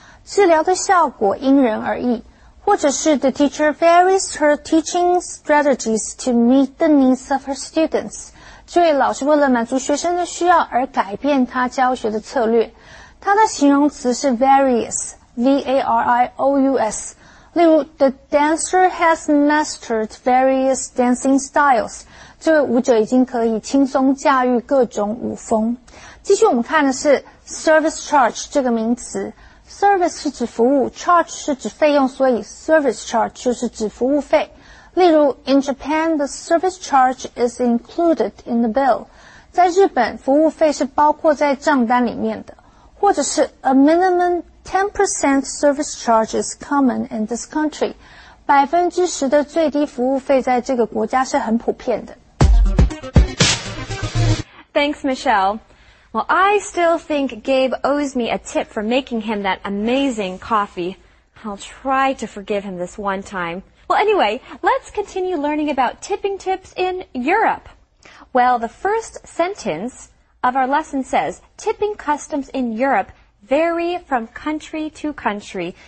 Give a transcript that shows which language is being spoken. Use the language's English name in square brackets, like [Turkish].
[Chinese] 治疗的效果因人而异，或者是 [English] The teacher varies her teaching strategies to meet the needs of her students. [Chinese] 这位老师为了满足学生的需要而改变他教学的策略。他的形容词是 various, V-A-R-I-O-U-S. 例如 [English] The dancer has mastered various dancing styles. [Chinese] 这位舞者已经可以轻松驾驭各种舞风。继续我们看的是 service charge 这个名词。 Service 是指服务， charge 是指费用，所以 service charge 就是指服务费。例如 [English] In Japan, the service charge is included in the bill. [Chinese] 在日本，服务费是包括在账单里面的。或者是 [English] A minimum 10% service charge is common in this country. [Chinese] 10% 的最低服务费在这个国家是很普遍的。 [English] Thanks, Michelle. Well, I still think Gabe owes me a tip for making him that amazing coffee. I'll try to forgive him this one time. Well, anyway, let's continue learning about tipping tips in Europe. Well, the first sentence... of our lesson says, tipping customs in Europe vary from country to country.